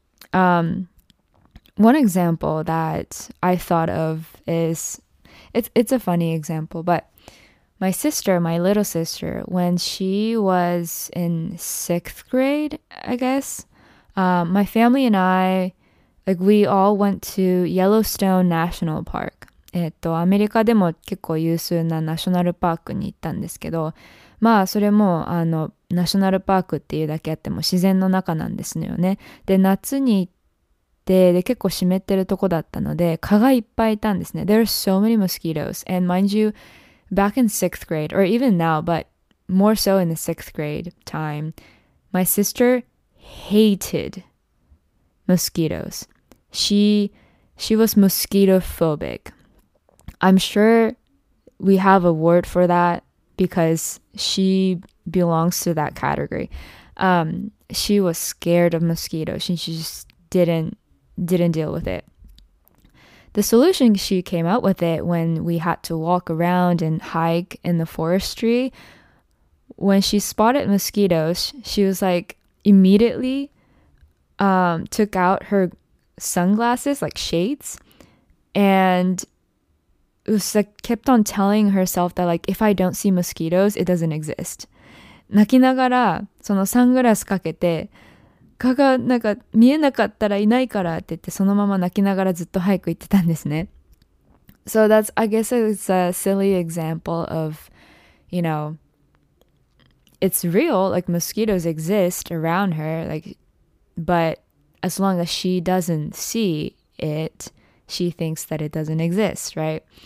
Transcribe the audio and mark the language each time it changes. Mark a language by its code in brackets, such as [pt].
[en] One example that I thought of is it's a funny example, butMy sister, my little sister, when she was in sixth grade, I guess, my family and I, like, we all went to Yellowstone National Park. [ja] アメリカでも結構有数なナショナルパークに行ったんですけど、まあ、それも、ナショナルパークっていうだけあっても自然の中なんですよね。で、夏に行って、で、結構湿ってるとこだったので、蚊がいっぱいいたんですね。 [en] There are so many mosquitoes. And mind you,Back in sixth grade, or even now, but more so in the sixth grade time, my sister hated mosquitoes. She was mosquito phobic. I'm sure we have a word for that because she belongs to that category. She was scared of mosquitoes and she just didn't deal with it. The solution she came up with it when we had to walk around and hike in the forestry, when she spotted mosquitoes, she was like immediately took out her sunglasses, like shades, and it was like kept on telling herself that like if I don't see mosquitoes, it doesn't exist. [ja] 泣きながらそのサングラスかけて蚊がなんか見えなかったらいないからって言って、そのまま泣きながらずっと早く行ってたんですね。 [en] So that's, I guess it's a silly example of, you know, it's real, like mosquitoes exist around her, like, but as long as she doesn't see it, she thinks that it doesn't exist, right?